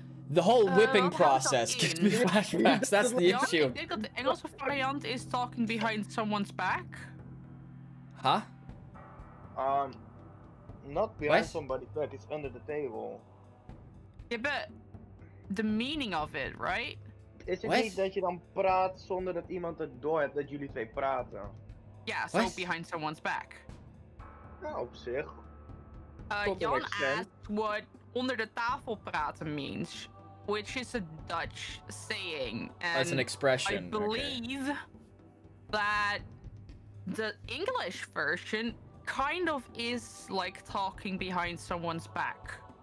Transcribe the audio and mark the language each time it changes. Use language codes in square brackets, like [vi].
[en] the whole whipping process gives me flashbacks. That's the issue. Do you think that the English variant is talking behind someone's back? Huh? Not behind somebody's back, it's under the table. Yeah, but the meaning of it, right? [nl] Is it niet dat je dan praat zonder dat iemand het door hebt dat jullie twee praten? [en] Yeah, so behind someone's back. [nl] Nou, op zich. [en] Jan asked what under the table praten means, which is a Dutch saying. And that's an expression. I believe that the English version kind of is like talking behind someone's back.